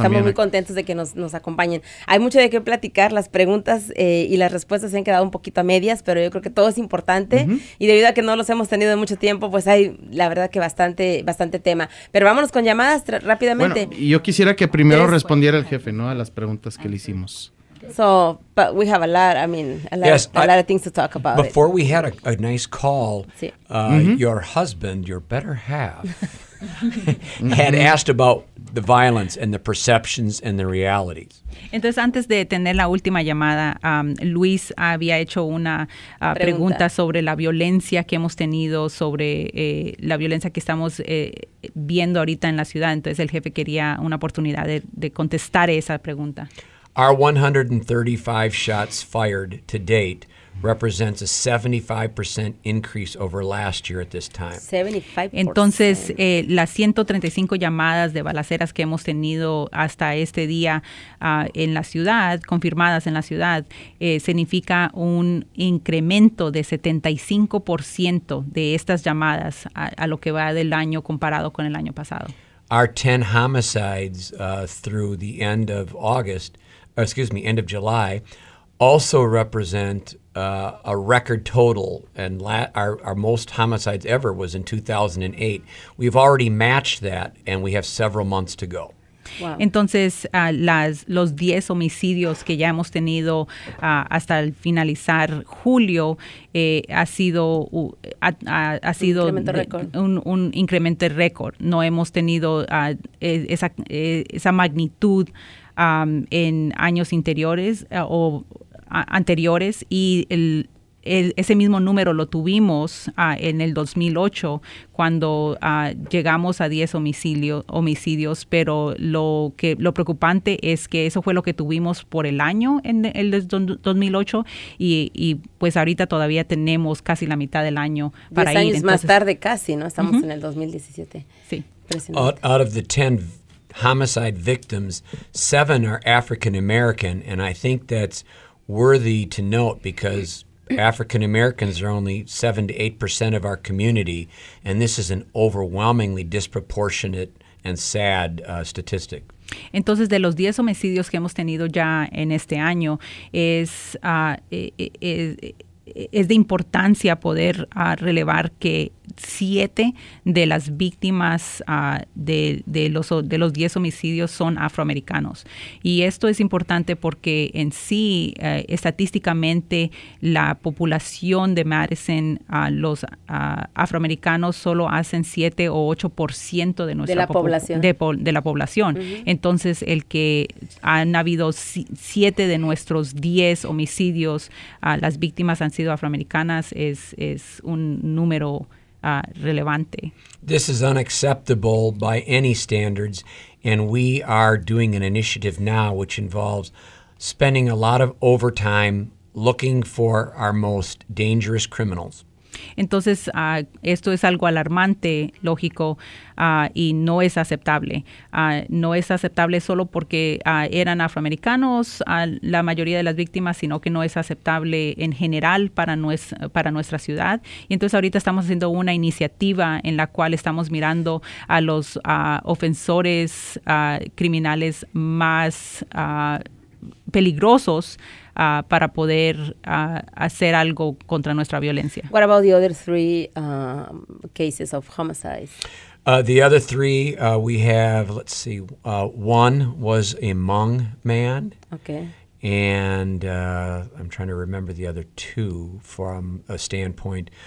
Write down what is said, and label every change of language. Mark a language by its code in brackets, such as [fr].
[es] Estamos muy contentos de que nos acompañen. Hay mucho de qué platicar. Las preguntas y las respuestas se han quedado un poquito a medias, pero yo creo que todo es importante. Uh-huh. Y debido a que no los hemos tenido en mucho tiempo, pues hay, la verdad, que bastante tema. Pero vámonos con llamadas rápidamente. Bueno, yo quisiera que primero respondiera el jefe, ¿no?, las preguntas que le hicimos. [en] So, but we have a lot of things to talk about. Before we had a nice call, your husband, your better half, had asked about the violence and the perceptions and the realities. [es] Entonces, antes de tener la última llamada, Luis había hecho una pregunta sobre la violencia que hemos tenido, sobre la violencia que estamos viendo ahorita en la ciudad. Entonces, el jefe quería una oportunidad de contestar esa pregunta. [en] Our 135 shots fired to date represents a 75% increase over last year at this time. 75%. [es] Entonces, las 135 llamadas de balaceras que hemos tenido hasta este día en la ciudad, confirmadas en la ciudad, significa un incremento de 75% de estas llamadas a lo que va del año comparado con el año pasado. [en] Our 10 homicides through the end of August, end of July, also represent a record total, and our most homicides ever was in 2008. We've already matched that, and we have several months to go. Wow. [es] Entonces, los 10 homicidios que ya hemos tenido hasta el finalizar julio ha sido un incremento récord. No hemos tenido esa magnitud en años anteriores y ese mismo número lo tuvimos en el 2008 cuando llegamos a 10 homicidios, pero lo preocupante es que eso fue lo que tuvimos por el año en el 2008 y pues ahorita todavía tenemos casi la mitad del año para 10 años Entonces, más tarde casi, ¿no? Estamos en el 2017. Sí. [en] Out of the 10 homicide victims, 7 are African American, and I think that's worthy to note because African Americans are only 7-8% of our community, and this is an overwhelmingly disproportionate and sad statistic. [es] Entonces, de los 10 homicidios que hemos tenido ya en este año, es de importancia poder relevar que 7 de las víctimas de los 10 homicidios son afroamericanos. Y esto es importante porque en sí, estadísticamente, la población de Madison, los afroamericanos solo hacen 7-8% de nuestra población. De la población. Uh-huh. Entonces, el que han habido 7 de nuestros 10 homicidios, las víctimas han sido afroamericanas, es un número relevante. [en] This is unacceptable by any standards, and we are doing an initiative now which involves spending a lot of overtime looking for our most dangerous criminals. [es] Entonces, esto es algo alarmante, lógico, y no es aceptable. No es aceptable solo porque eran afroamericanos la mayoría de las víctimas, sino que no es aceptable en general para nuestra ciudad. Y entonces ahorita estamos haciendo una iniciativa en la cual estamos mirando a los ofensores criminales más peligrosos para poder hacer algo contra nuestra violencia. [en] What about the other three cases of homicides? The other three, we have, let's see, one was a Hmong man. Okay. And I'm trying to remember the other two from a standpoint.